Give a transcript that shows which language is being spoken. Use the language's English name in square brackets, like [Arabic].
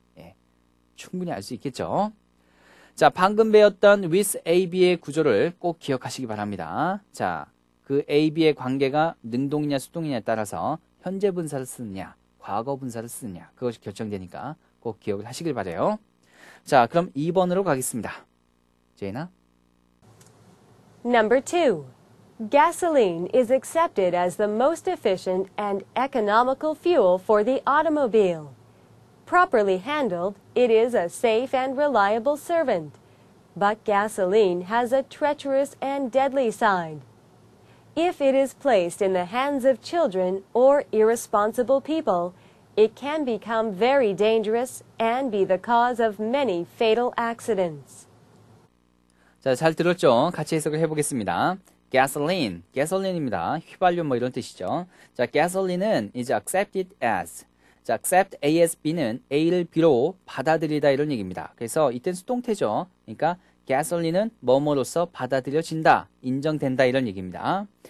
[Korean] 예, 충분히 알 수 있겠죠. 자, 방금 배웠던 with A, B의 구조를 꼭 기억하시기 바랍니다. 자, 그 A, B의 관계가 능동이냐 수동이냐에 따라서 현재 분사를 쓰느냐, 과거 분사를 쓰느냐 그것이 결정되니까 꼭 기억을 하시길 바라요. 자, 그럼 2번으로 가겠습니다. 제이나? [English] Number 2. Gasoline is accepted as the most efficient and economical fuel for the automobile. Properly handled, it is a safe and reliable servant. But gasoline has a treacherous and deadly side. If it is placed in the hands of children or irresponsible people, it can become very dangerous and be the cause of many fatal accidents. [Korean] 자, 잘 들었죠? 같이 해석을 해보겠습니다. Gasoline입니다. 휘발유 뭐 이런 뜻이죠. 자, gasoline은 [English] is accepted as. [Korean] 자, [English] accept as B [Korean] 는 A를 B로 받아들이다 이런 얘기입니다. 그래서 이때는 수동태죠. 그러니까 gasoline은 뭐뭐로서 받아들여진다, 인정된다 이런 얘기입니다.